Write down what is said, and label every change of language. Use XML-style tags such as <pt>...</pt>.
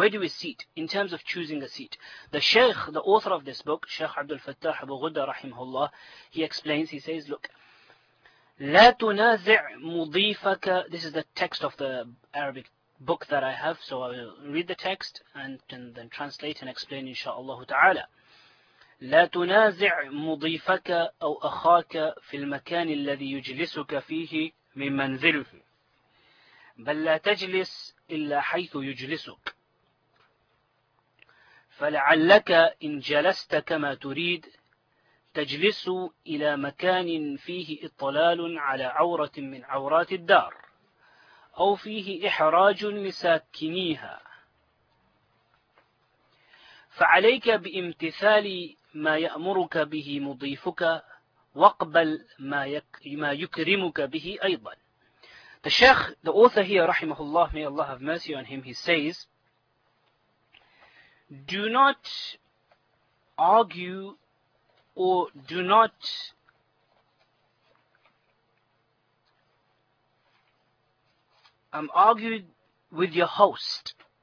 <en>Where do we sit in terms of choosing a seat? The Shaykh, the author of this book, Shaykh Abdul Fattah Abu Ghudda rahimahullah, he explains, he says, look,</en> <ar>لا تنازع مضيفك.</ar> <en>This is the text of the Arabic book that I have, so I will read the text and then translate and explain inshaAllah ta'ala.</en> <ar>لا تنازع مضيفك أو أخاك في المكان الذي يجلسك فيه من منزله بل لا تجلس إلا حيث يجلسك فلعلك إن جلست كما تريد تجلس إلى مكان فيه إطلال على عورة من عورات الدار أو فيه إحراج لساكنيها فعليك بامتثال ما يأمرك به مضيفك واقبل ما يكرمك به أيضا.</ar> <en>The Sheikh, the author here, rahimahullah, may Allah have mercy on him, he says, do not argue or do not argue with your host.</en>